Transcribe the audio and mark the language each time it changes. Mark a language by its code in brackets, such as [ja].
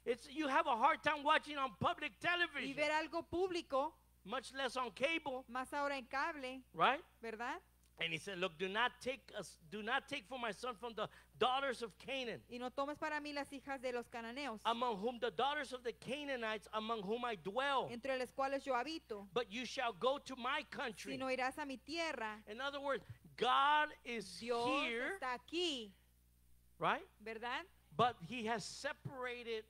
[en] It's you have a hard time watching on public television. [es] Y ver algo público. [en] Much less on cable. [es] Más ahora en cable. [en] Right? [es] ¿Verdad? [en] And he said, "Look, do not take for my son from the daughters of Canaan." [es] Y no tomes para mí las hijas de los cananeos. [en] Among whom the daughters of the Canaanites, among whom I dwell. [es] Entre las cuales yo habito. [en] But you shall go to my country. [es] Sino irás a mi tierra. [en] In other words, God is [es] Dios [en] here. [es] Está aquí. [en] Right? [es] ¿Verdad? [en] But he has separated.